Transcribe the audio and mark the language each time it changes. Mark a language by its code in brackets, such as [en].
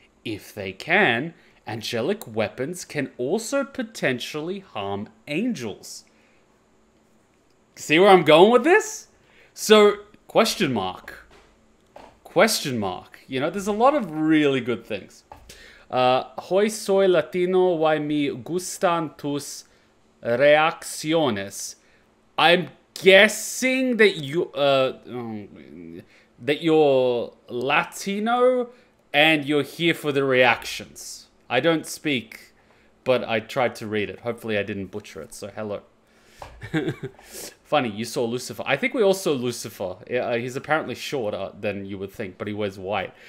[en] If they can, angelic weapons can also potentially harm angels. See where I'm going with this? So, question mark. You know, there's a lot of really good things. [es] Hoy soy Latino, y me gustan tus reacciones. [en] I'm guessing that you're Latino and you're here for the reactions. I don't speak, but I tried to read it. Hopefully I didn't butcher it, so hello. Funny, you saw Lucifer. I think we all saw Lucifer. He's apparently shorter than you would think, but he wears white.